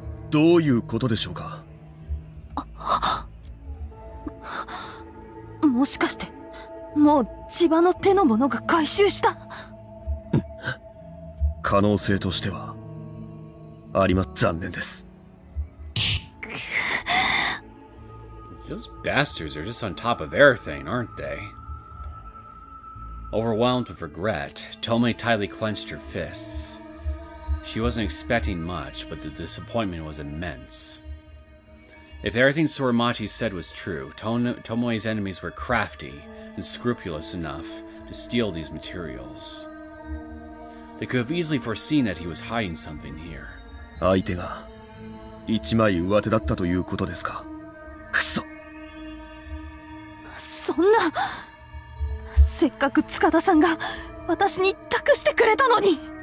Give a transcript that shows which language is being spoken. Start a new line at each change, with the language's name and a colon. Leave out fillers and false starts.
Japanese: どういうことでしょうか? もしかして、もう千葉の手のものが回収した? 可能性としては、あります。残念です。
English: Those bastards are just on top of everything, aren't they? Overwhelmed with regret, Tomoe tightly clenched her fists. She wasn't expecting much, but the disappointment was immense. If everything Soramachi said was true, Tomoe's enemies were crafty and scrupulous enough to steal these materials. They could have easily foreseen that he was hiding something here.
Japanese: 相手が一枚上手だったということですか? クソ! そんな... せっかく塚田さんが私に託してくれたのに!